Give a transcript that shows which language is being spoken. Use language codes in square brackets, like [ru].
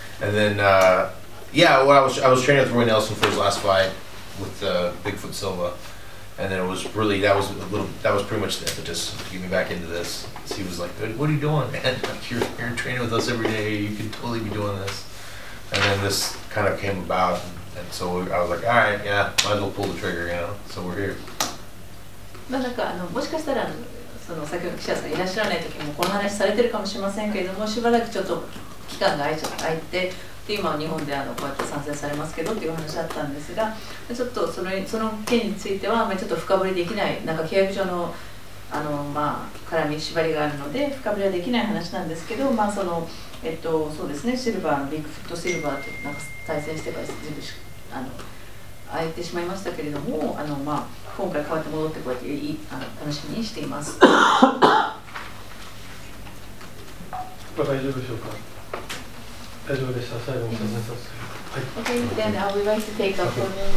[en] And then, I was training with Roy Nelson for his last fight with Bigfoot Silva, and then it was really that was pretty much the impetus to get me back into this. So he was like, "What are you doing, man? You're training with us every day. You could totally be doing this." And then this kind of came about, and so I was like, "All right, yeah, might as well pull the trigger, you know." So we're here. [ja] まあ、なんかもしかしたらその先ほど記者さんいらっしゃらない時もこの話されてるかもしれませんけれども、しばらくちょっと期間が空いて、で今日本でこうやって参戦されますけどっていう話だったんですが、ちょっとその件についてはちょっと深掘りできない、なんか契約上 の、まあ、絡み縛りがあるので深掘りはできない話なんですけど、まあそのそうですね、シルバーのビッグフットシルバーとなんか対戦してから全部空いてしまいましたけれども、まあ今回変わって戻ってこうやっていい楽しみにしています。大丈夫でしょうか。大丈夫でした。最後の挨拶。はい。 [en] Okay, then I would like to take up for me.